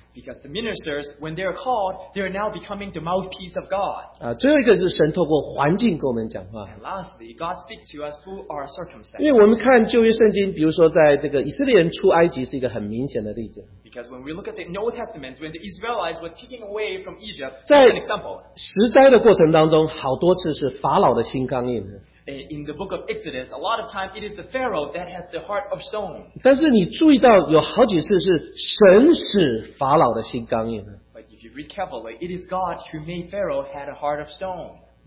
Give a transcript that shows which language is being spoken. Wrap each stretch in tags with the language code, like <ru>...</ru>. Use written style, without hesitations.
<en>Because the ministers, when they are called, they are now becoming the mouthpiece of God.</en> <zh>最后一个是神透过环境跟我们讲话。</zh> <en>And lastly, God speaks to us through our circumstances.</en> <zh>因为我们看旧约圣经，比如说在这个以色列人出埃及是一个很明显的例子。</zh> <en>Because when we look at the Old Testament, when the Israelites were taken away from Egypt, that's an example.</en> <zh>在十灾的过程当中，好多次是法老的心刚硬。</zh> <en>In the book of Exodus, a lot of times it is the Pharaoh that has the heart of stone.</en> <zh>但是你注意到有好几次是神使法老的心刚硬。</zh> <en>But if you read carefully, it is God who made Pharaoh had a heart of stone.</en>